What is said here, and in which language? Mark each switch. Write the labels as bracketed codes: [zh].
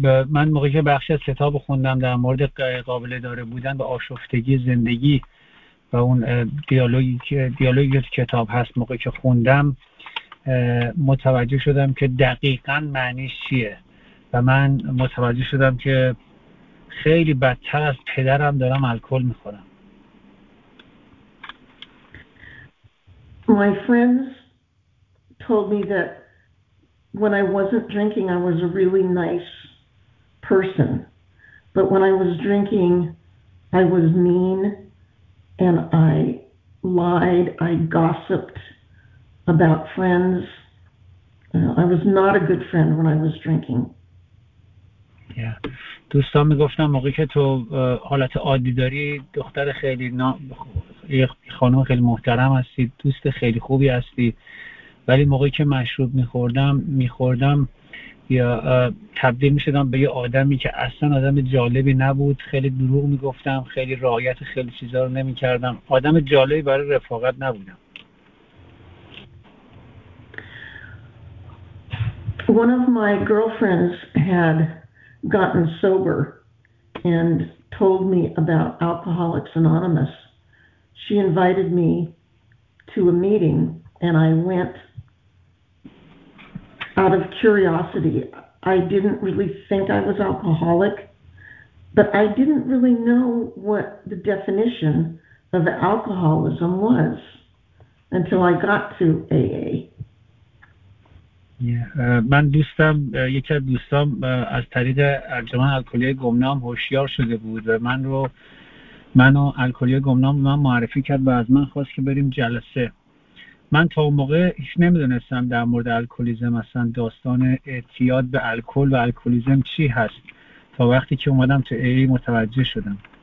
[fa] من موقعی که بخش از کتاب خوندم در مورد قابل اداره بودن و آشفتگی زندگی و اون دیالوگی کتاب هست، موقعی که خوندم متوجه شدم که دقیقاً معنیش چیه و من متوجه شدم که خیلی بدتر از پدرم دارم الکل میخورم. [en] My friends told me that when I wasn't drinking, I was a really nice person. But when I was drinking, I was mean and I lied. I gossiped about friends. I was not a good friend when I was drinking. Yeah. [fa] دوستان میگفتن موقعی که تو حالت عادی داری دختر خیلی خانم خیلی محترم هستی، دوست خیلی خوبی هستی، ولی موقعی که مشروب میخوردم یا تبدیل میشدم به یه آدمی که اصلا آدم جالبی نبود، خیلی دروغ میگفتم، خیلی رعایت خیلی چیزا رو نمیکردم، آدم جالبی برای رفاقت نبودم. [en] One of my girlfriends had gotten sober and told me about Alcoholics Anonymous. She invited me to a meeting and I went out of curiosity. I didn't really think I was alcoholic, but I didn't really know what the definition of alcoholism was until I got to AA. [fa] من دوستم، یکی از دوستام از طریق ارجمن الکلی گمنام هوشیار شده بود و من رو منو الکلی گمنام من معرفی کرد و از من خواست که بریم جلسه. من تا اون موقع هیچ نمیدونستم در مورد الکلیزم، اصلا داستان اعتیاد به الکل و الکلیزم چی هست، تا وقتی که اومدم تو ای متوجه شدم.